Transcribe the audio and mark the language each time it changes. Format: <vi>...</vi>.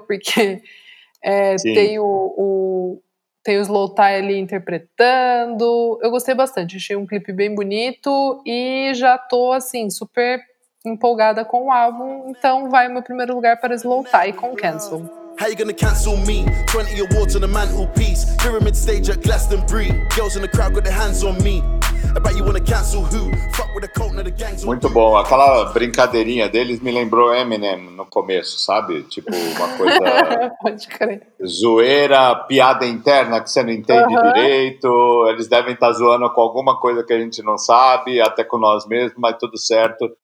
<pt>Porque tem tem o Slow Tie ali interpretando. Eu gostei bastante. Achei um clipe bem bonito. E já tô, assim, super empolgada com o álbum. Então vai o meu primeiro lugar para Slow Tie com Cancel.</pt> <en>How you gonna cancel me? 20 awards on a mantelpiece. Pyramid stage at Glastonbury. Girls in the crowd got their hands on me. About you wanna cancel who? Fuck with a cult and the gangs.</en> <pt>Muito bom. Aquela brincadeirinha deles me lembrou Eminem no começo, sabe? Tipo, uma coisa... Pode crer. Zoeira, piada interna que você não entende direito. Eles devem estar zoando com alguma coisa que a gente não sabe, até com nós mesmos, mas tudo certo.</pt>